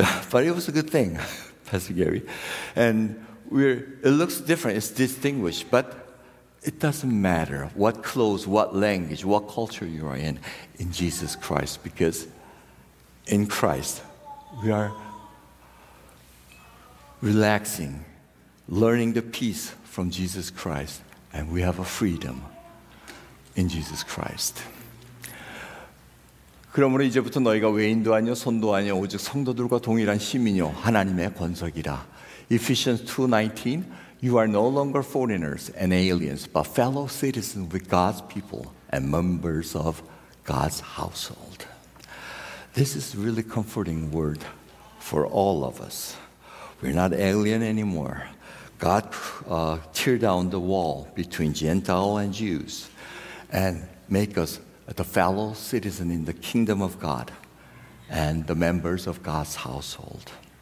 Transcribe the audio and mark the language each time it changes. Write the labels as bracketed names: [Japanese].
[English] But it was a good thing, Pastor Gary. And it looks different, it's distinguished, but it doesn't matter what clothes, what language, what culture you are in Jesus Christ, because in Christ, we are relaxing, learning the peace from Jesus Christ, and we have a freedom in Jesus Christ. [Korean] 그러므로 이제부터 너희가 외인도 아니요 손도 아니요 오직 성도들과 동일한 시민이요 하나님의 권속이라. [English] Ephesians 2:19, you are no longer foreigners and aliens, but fellow citizens with God's people and members of God's household. This is really comforting word for all of us. We're not alien anymore. God teared down the wall between Gentile and Jews and make us the fellow citizen in the kingdom of God and the members of God's household.